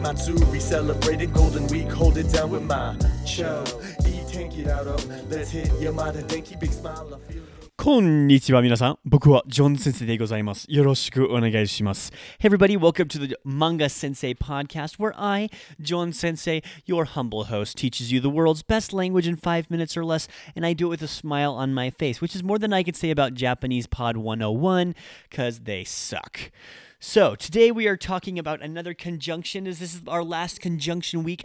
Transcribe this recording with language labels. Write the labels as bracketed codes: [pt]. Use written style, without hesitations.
[en] Matsuri celebrated Golden Week, hold it down with my cho. E-Tank it out of, let's hit Yamada Denki, big smile, I feel. [ja] こんにちは皆さん、僕はジョン先生でございます。よろしくお願いします。 [en] Hey everybody, welcome to the Manga Sensei podcast, where I, John Sensei, your humble host, teaches you the world's best language in 5 minutes or less, and I do it with a smile on my face, which is more than I can say about Japanese Pod 101, because they suck. So, today we are talking about another conjunction. This is our last conjunction week.